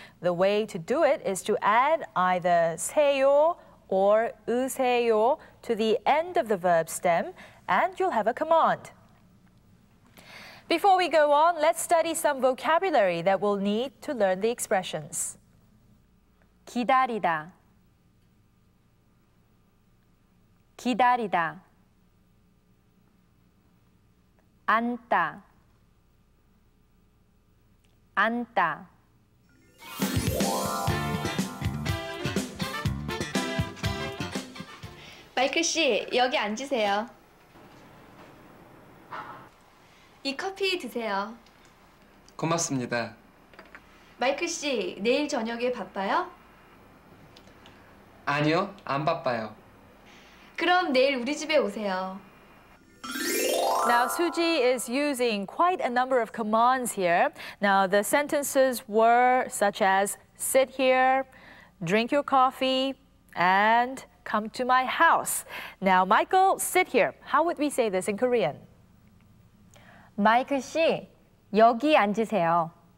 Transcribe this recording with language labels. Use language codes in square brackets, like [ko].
[en] The way to do it is to add either 세요 or 으세요 to the end of the verb stem, and you'll have a command. Before we go on, let's study some vocabulary that we'll need to learn the expressions. [ko] 기다리다 기다리다 앉다 앉다 마이클 씨, 여기 앉으세요. 이 커피 드세요. 고맙습니다. 마이클 씨, 내일 저녁에 바빠요? 아니요, 안 바빠요. 그럼 내일 우리 집에 오세요. [en] Now, Suji is using quite a number of commands here. Now, the sentences were such as, sit here, drink your coffee, and come to my house. Now, Michael, sit here. How would we say this in Korean? [ko] 마이클 씨, 여기 앉으세요.